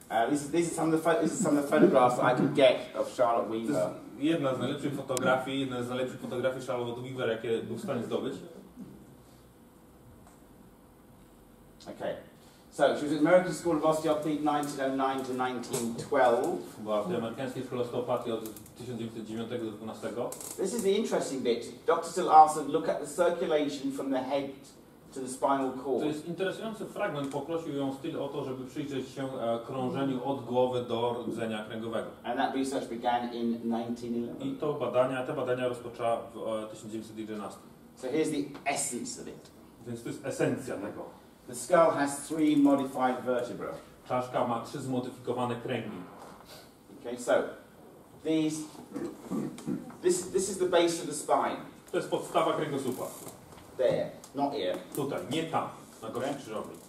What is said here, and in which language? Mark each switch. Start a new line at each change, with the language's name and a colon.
English: This is some of the photographs I could get of Charlotte Weaver.
Polish: Jedna z najlepszych fotografii Charlotte Weaver, jakie był w stanie zdobyć.
English: Okay, so she was at American School of Osteopathy 1909 to 1912.
Polish: Była w amerykańskiej szkole osteopatii od 1909 do 12.
English: This is the interesting bit. Dr. Still asked to look at the circulation from the head to the spinal cord.
Polish: To jest interesujący fragment. Poprosił ją Still o to, żeby przyjrzeć się krążeniu od głowy do rdzenia kręgowego.
English: And that research began in 1911.
Polish: I to badania, te badania rozpoczęła w 1911.
English: So here's the essence of it.
Polish: Więc to jest esencja tego.
English: The skull has three modified vertebrae.
Polish: Czaszka ma trzy zmodyfikowane kręgi.
English: Okay, so this is the base of the spine.
Polish: To jest podstawa kręgosłupa.
English: There. Not here.
Polish: Tutaj, nie tam, na gości krzyżowej.